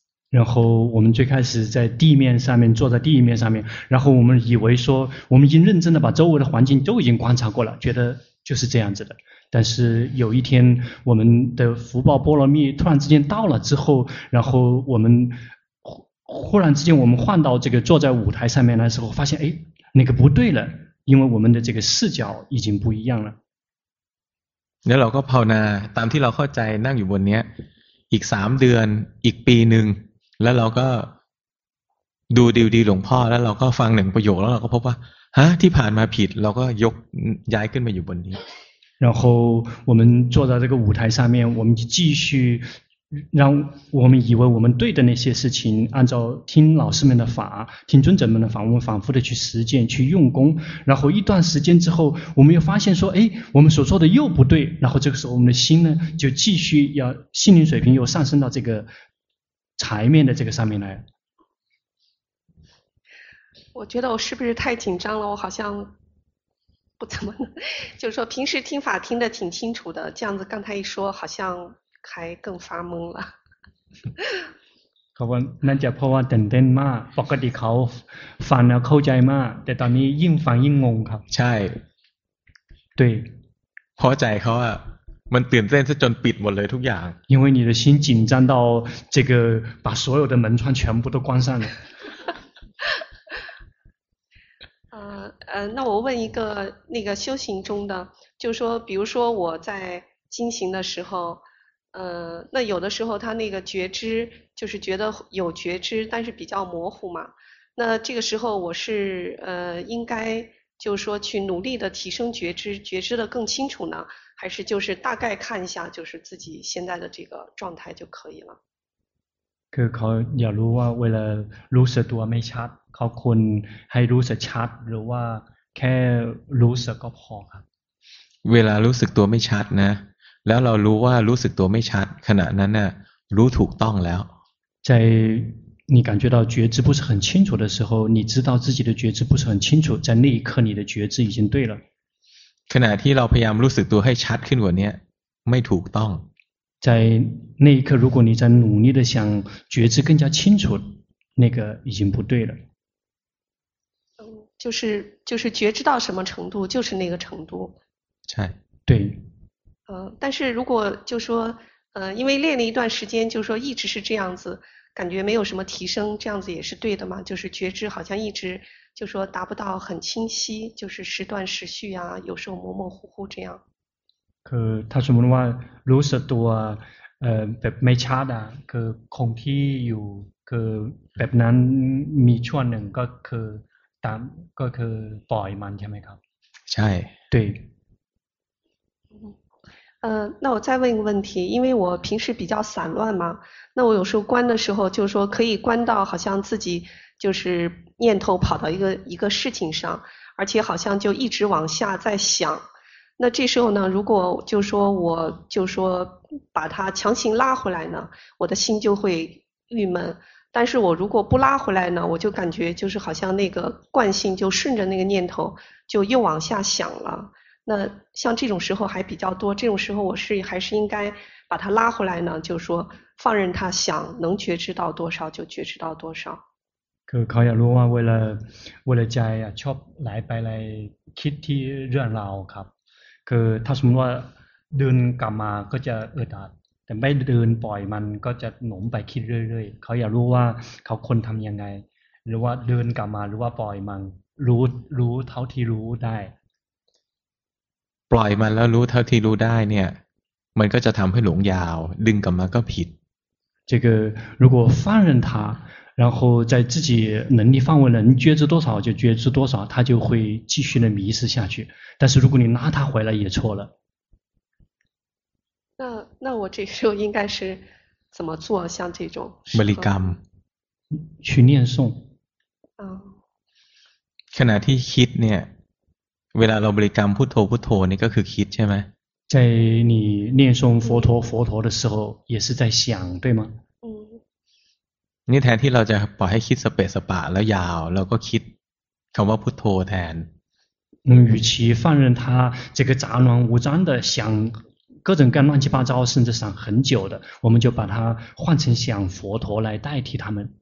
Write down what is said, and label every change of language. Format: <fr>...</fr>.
<zh>然后我们最开始在地面上面坐在地面上面然后我们以为说我们已经认真的把周围的环境都已经观察过了觉得就是这样子的但是有一天我们的福报波罗蜜突然之间到了之后然后我们忽然之间我们换到这个坐在舞台上面的时候发现哎那个不对了因为我们的这个视角已经不一样了</zh> <th>那เราก็ภาวนาตามที่เราเข้าใจนั่งอยู่บนเนี้ยอีก3เดือนอีกปีนึงแล้วเราก็ดูดีๆหลวงพ่อแล้วเราก็ฟังหนึ่งประโยคแล้วเราก็พบว่าฮะที่ผ่านมาผิดเราก็ยกย้ายขึ้นมาอยู่บนนี้</th> <zh>然后我们坐在这个舞台上面我们继续让我们以为我们对的那些事情按照听老师们的法听尊者们的法我们反复的去实践去用功然后一段时间之后我们又发现说哎我们所做的又不对然后这个时候我们的心呢就继续要心灵水平又上升到这个台面的这个上面来我觉得我是不是太紧张了我好像不怎么就是说平时听法听得挺清楚的这样子刚才一说好像还更发懵了</zh> <th>ก็ าว่านั่นจะเพราะว่าตื่นเต้นมากปกติเขาฟังแล้วเข้าใจมากแต่ตอนนี้ยิ่งฟังยิ่งงงครับ ใช่ ใช่ เพราะใจเขาอะมันตื่นเต้นซะจนปิดหมดเลยทุกอย่าง</th> <zh>因为你的心紧张到这个把所有的门窗全部都关上了那我问一个那个修行中的，就是说，比如说我在进行的时候，那有的时候他那个觉知，就是觉得有觉知，但是比较模糊嘛。那这个时候我是应该就是说去努力的提升觉知，觉知的更清楚呢，还是就是大概看一下就是自己现在的这个状态就可以了。</zh> <th>คือเขาอยากรู้ว่าเวลารู้สึกตัวไม่ชัดเขาควรให้รู้สึกชัดหรือว่าแค่รู้สึกก็พอครับ เวลารู้สึกตัวไม่ชัดนะแล้วเรารู้ว่ารู้สึกตัวไม่ชัดขณะนั้นน่ะรู้ถูกต้องแล้ว</th> <zh>ใจ你感觉到觉知不是很清楚的时候你知道自己的觉知不是很清楚在那一刻你的觉知已经对了</zh> <th>ขณะที่เราพยายามรู้สึกตัวให้ชัดขึ้นกว่านี้ไม่ถูกต้อง</th> <zh>在那一刻，如果你在努力的想觉知更加清楚，那个已经不对了。就是觉知到什么程度，就是那个程度。对。但是如果就说，因为练了一段时间，就说一直是这样子，感觉没有什么提升，这样子也是对的嘛？就是觉知好像一直就说达不到很清晰，就是时断时续啊，有时候模模糊糊这样。</zh> <th>คือถ้าสมมติว่ารู้สึกตัวแบบไม่ชัดอ่ะคือคงที่อยู่คือแบบนั้นมีช่วงหนึ่งก็คือตามก็คือปล่อยมันใช่ไหมครับ ใช่</th> <zh>对那我再问一个问题因为我平时比较散乱嘛那我有时候关的时候就是说可以关到好像自己就是念头跑到一个事情上而且好像就一直往下在想那这时候呢如果就说我就说把它强行拉回来呢我的心就会郁闷但是我如果不拉回来呢我就感觉就是好像那个惯性就顺着那个念头就又往下想了那像这种时候还比较多这种时候我是还是应该把它拉回来呢就说放任它想能觉知到多少就觉知到多少</zh> <th>คือเขาอยากรู้ว่าเวลาใจชอบไหลไปไหลคิดที่เรื่องราวครับคือถ้าสมมติว่าเดินกลับมาก็จะอึดอัดแต่ไม่เดินปล่อยมันก็จะหนุนไปคิดเรื่อยๆเขาอยากรู้ว่าเขาคนทำยังไงหรือว่าเดินกลับมาหรือว่าปล่อยมันรู้เท่าที่รู้ได้ปล่อยมันแล้วรู้เท่าที่รู้ได้เนี่ยมันก็จะทำให้หลงยาวดึงกลับมาก็ผิด</th> <zh>这个如果放任他然后在自己能力范围能觉知多少就觉知多少他就会继续的迷失下去但是如果你拉他回来也错了那我这时候应该是怎么做像这种</zh> <th>บริกรรม</th> <zh>去念诵</zh> <th>ขณะที่คิดเนี่ยเวลาเราบริกรรมพุทโธนี่ก็คือคิดใช่ไหม</th> <zh>在你念诵佛陀的时候也是在想对吗</zh> <th>นี่แทนที่เราจะปล่อยให้คิดสเปะสปะแล้วยาวเราก็คิดคำว่าพุทโธแทน</th> <zh>อืม与其放任他这个杂乱无章的想各种各样乱七八糟甚至想很久的我们就把它换成想佛陀来代替他们</zh>